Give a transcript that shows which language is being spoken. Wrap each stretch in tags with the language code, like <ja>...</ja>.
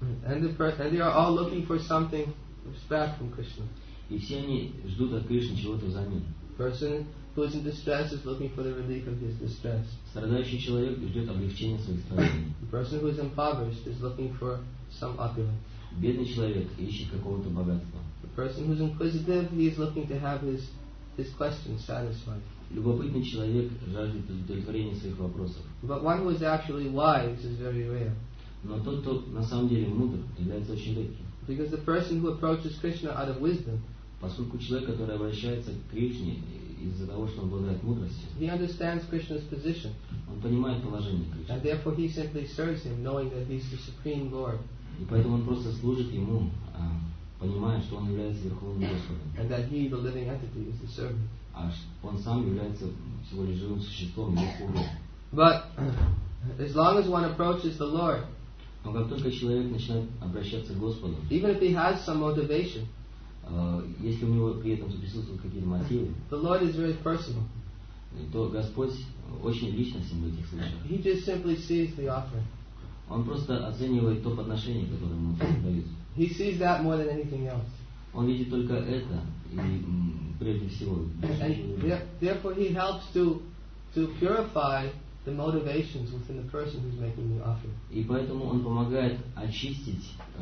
<en>And they are all looking for something back from Krishna.</en> <ru>И все они ждут от Кришны чего-то взамен.</ru> <en>Person who is in distress is looking for the relief of his distress.</en> <ru>Страдающий человек ждет облегчения своих страданий.</ru> <en>Person who is impoverished is looking for some opulence.</en> <ru>Бедный человек ищет какого-то богатства.</ru> <en>Person who is inquisitive, he is looking to have his questions satisfied.</en> <ru>Любопытный человек жаждет удовлетворения своих вопросов.</ru> <en>But one who is actually wise is very rare.</en> <ru>Но тот, кто на самом деле мудр, является очень редким.</ru> <en>Because the person who approaches Krishna out of wisdom,</en> <ru>поскольку человек, который обращается к Кришне из-за того, что он обладает мудростью,</ru> <en>he understands Krishna's position.</en> <ru>Он понимает положение Кришны.</ru> <en>And therefore he simply serves him, knowing that he's the supreme Lord.</en> <ru>И поэтому он просто служит ему, понимая, что он является верховным господом.</ru> <en>And that he, the living entity, is the servant.</en> <ru>А он сам является всего лишь живым существом, не слугой.</ru> <en>But as long as one approaches the Lord.</en> <ru>Но как только человек начинает обращаться к Господу,</ru> <en>even if he has some motivation,</en> <ru>если у него при этом присутствуют какие-то мотивы,</ru> <en>the Lord is very personal.</en> <ru>То Господь очень личностен в этих случаях.</ru> <en>He just simply sees the offering.</en> <ru>Он просто оценивает то подношение, которое ему дают.</ru> <en>He sees that more than anything else.</en> <ru>Он видит только это, и прежде всего.</ru> <en>Therefore, he helps to purify the motivations within the person who's making the offer.</en> <ru>И поэтому он помогает очистить</ru>